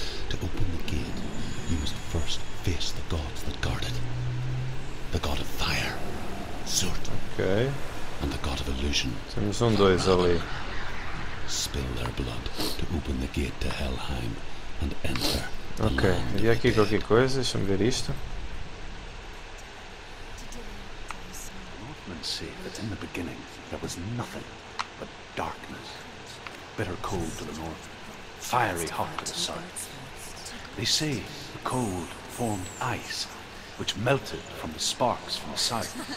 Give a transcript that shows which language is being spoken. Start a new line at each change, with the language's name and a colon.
English: To open the gate, you must first face the gods that guard it. The god of fire, Surt. Okay. And the god of illusion.
Portuguese: Temos um dois ali.
English: Spill their blood to open the gate to Helheim and enter. Okay.
Portuguese: E aqui qualquer coisa, deixa-me ver isto.
English: And see that in the beginning there was nothing but darkness. Bitter cold to the north, fiery hot to the south. They say the cold formed ice, which melted from the sparks from the south.